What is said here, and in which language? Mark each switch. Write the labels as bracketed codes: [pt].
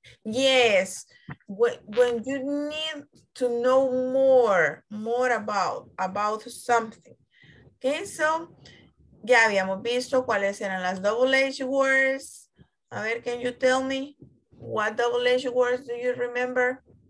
[en] Yes, when you need to know more about something. Okay, so [es] ya habíamos visto cuáles eran las double-edged words. A ver, [en] can you tell me what double-edged words do you remember?